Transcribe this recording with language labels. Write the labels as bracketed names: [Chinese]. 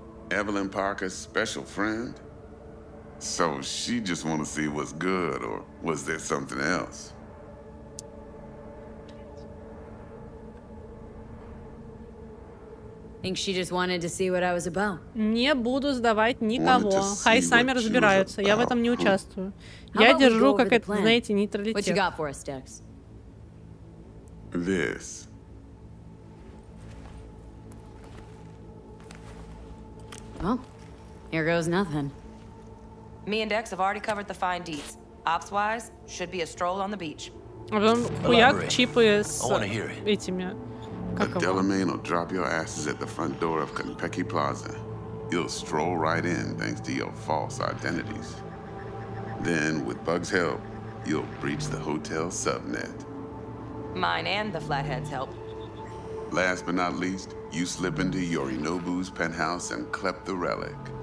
[English] Evelyn Parker's special friend? So she just want to see what's good, or was there something else? Think she just wanted to see what I was about? [Russian] Не буду сдавать никого. Хай сами разбираются. Я в этом не участвую. Я держу, как это, знаете, нейтралитет. [English] What you got for us, Dex? This. Well, here goes nothing. Me and Dex have already covered the fine deets. Ops-wise, should be a stroll on the beach. [Russian] А потом хуяк чипы с этими. Как его? [English] Delamain will drop your asses at the front door of Compeki Plaza. You'll stroll right in, thanks to your false identities. Then, with Bug's help, you'll breach the hotel subnet. Mine and the Flathead's help. Last but not least, you slip into Yorinobu's penthouse and clep the relic.